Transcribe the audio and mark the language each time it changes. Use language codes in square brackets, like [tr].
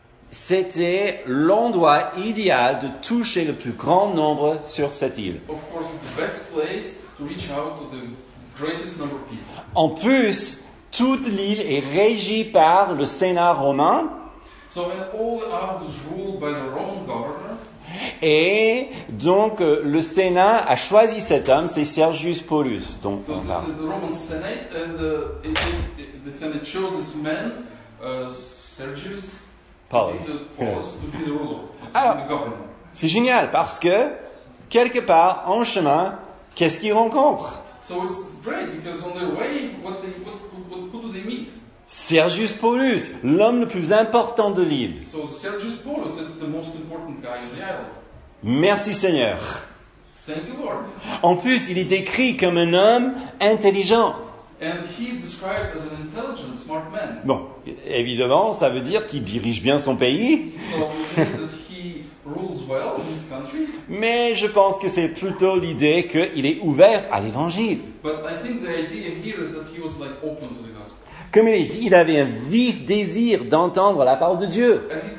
[fr] c'était l'endroit idéal de toucher le plus grand nombre sur cette île. [en] Of course, the best place to reach out to the greatest number of people. [fr] En plus, toute l'île est régie par le Sénat romain. [en] So, and all the island is ruled by the Roman governor. [fr] Et donc, le Sénat a choisi cet homme, c'est Sergius Paulus. Donc, [en] so, the Roman Senate, and the Senate chose this man, Sergius Paulus, to be the ruler, alors, the governor. [fr] C'est génial, parce que, quelque part, en chemin, qu'est-ce qu'ils rencontrent? [en] So, it's great, because on their way, who do they meet? [fr] Sergius Paulus, l'homme le plus important de l'île. [en] So Sergius Paulus, it's the most important guy in the island. [fr] Merci Seigneur. [en] Thank you Lord. [fr] En plus, il est décrit comme un homme intelligent. [en] And he described as an intelligent, smart man. [fr] Bon, évidemment, ça veut dire qu'il dirige bien son pays. [en] So it means that he rules well in his country. [fr] Mais je pense que c'est plutôt l'idée qu'il est ouvert à l'évangile. [en] But I think the idea here is that he was like open to the gospel. [fr] Comme il dit, il avait un vif désir d'entendre la parole de Dieu.